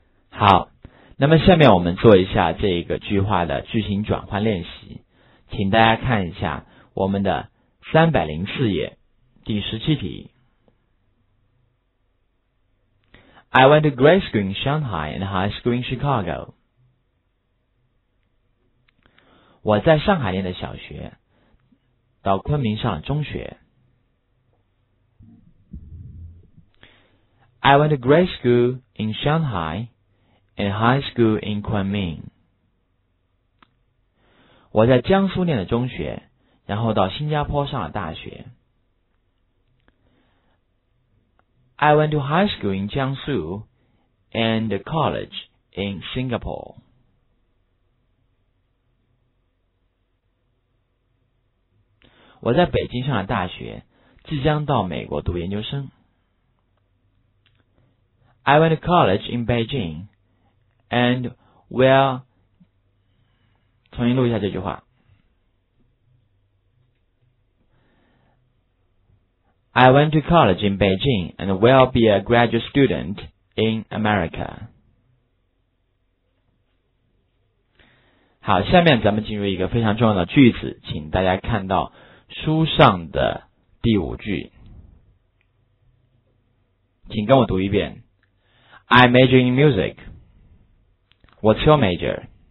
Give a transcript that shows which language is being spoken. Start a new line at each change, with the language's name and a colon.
Chinese: 好，那么下面我们做一下这个句话的句型转换练习，请大家看一下我们的304页第17题。
English: I went to grade school in Shanghai and high school in Chicago.
Chinese: 我在上海念的小学，到昆明上中学。
English: I went to grade school in Shanghai and high school in Kunming.
Chinese: 我在江苏念的中学，然后到新加坡上了大学。
English: I went to high school in Jiangsu and college in Singapore.
Chinese: 我在北京上了大学，即将到美国读研究生。
English: I went to college in Beijing. And well,
Chinese: 重新录一下这句话。
English: I went to college in Beijing and will be a graduate student in America.
Chinese: 好，下面咱们进入一个非常重要的句子，请大家看到书上的第五句。请跟我读一遍。
English: I major in music. What's your major?